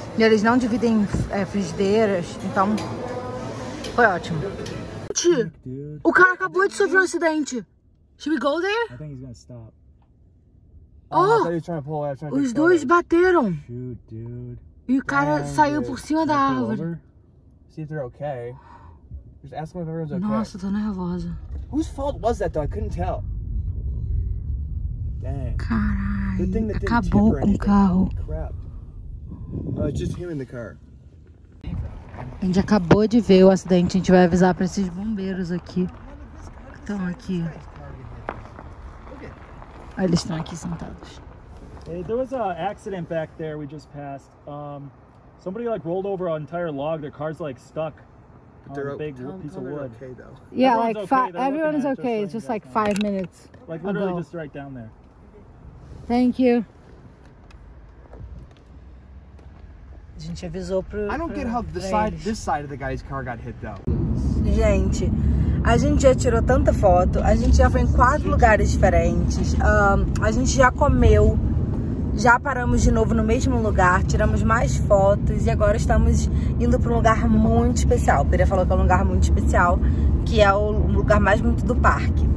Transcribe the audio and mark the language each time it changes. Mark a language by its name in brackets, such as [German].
[Portuguese] E eles não dividem frigideiras, então foi ótimo. Gente, o cara acabou de sofrer um acidente. [English] Should we go there? I think he's gonna stop. [Portuguese] Oh, os dois bateram. E o cara saiu por cima da árvore. [English] See if they're okay. Just ask them if everyone's okay. [Portuguese] Nossa, tô nervosa. [English] Whose fault was that though? I couldn't tell. Dang. [Portuguese] Caralho, acabou com o carro. [English] Oh, it's just him in the car. [Portuguese] A gente acabou de ver o acidente. A gente vai avisar pra esses bombeiros aqui. Que estão aqui. Ah, eles estão aqui sentados. [English] Hey, there was an accident back there we just passed. Somebody like rolled over an entire log. Their car's like stuck. They're a big piece of wood. Yeah, everyone's like everyone is okay. It's just like 5 minutes. Like literally just right down there. Thank you. [Portuguese] A gente avisou pro. [English] I don't get how this side of the guy's car got hit though. [Portuguese] Gente, a gente já tirou tanta foto. A gente já foi em 4 lugares diferentes. A gente já comeu. Já paramos de novo no mesmo lugar, tiramos mais fotos e agora estamos indo para um lugar muito especial. O Pereira falou que é um lugar muito especial, que é o lugar mais bonito do parque.